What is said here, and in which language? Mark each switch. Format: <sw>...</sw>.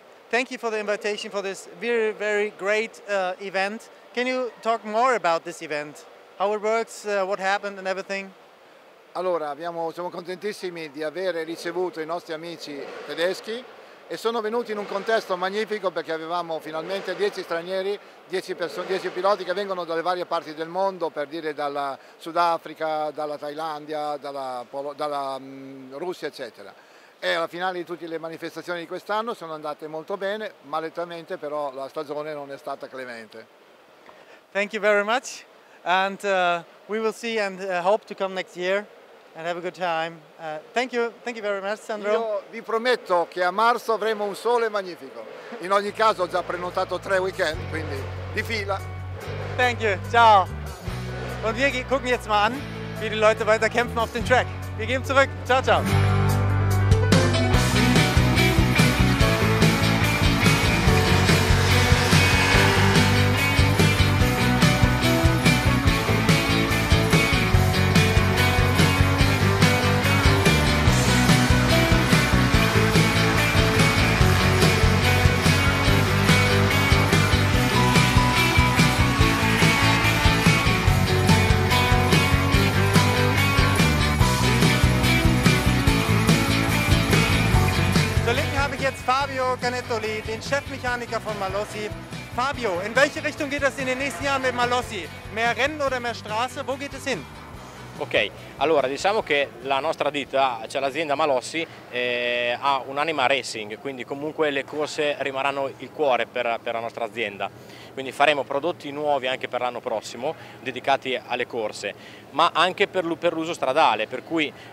<en>Thank you for the invitation for this very, very great event. Can you talk more about this event? How it works, what happened and everything?</en> <it>Allora, siamo contentissimi di avere ricevuto i nostri amici tedeschi. E sono venuti in un contesto magnifico perché avevamo finalmente 10 stranieri, 10 piloti che vengono dalle varie parti del mondo, per dire dalla Sudafrica, dalla Thailandia, dalla Russia, eccetera. E alla finale di tutte le manifestazioni di quest'anno sono andate molto bene, malettamente però la stagione non è stata clemente.</it> <en>Thank you very much and we will see and hope to come next year and have a good time. Thank you very much, Sandro.</en> <it>Io vi prometto che a marzo avremo un sole magnifico. In ogni caso, ho già prenotato 3 weekend, quindi di fila.</it> <en>Thank you. Ciao.</en> <de>Und wir gucken jetzt mal an, wie die Leute weiter kämpfen auf den Track. Wir gehen zurück. Ciao, ciao. Canettoli, den Chefmechaniker von Malossi. Fabio, in welche Richtung geht das in den nächsten Jahren mit Malossi? Mehr Rennen oder mehr Straße? Wo geht es hin?</de> <it>Okay, allora diciamo che la nostra ditta, cioè l'azienda Malossi, ha un'anima racing, quindi comunque le corse rimarranno il cuore per la nostra azienda. Quindi faremo prodotti nuovi anche per l'anno prossimo, dedicati alle corse, ma anche per l'uso stradale, per cui</it>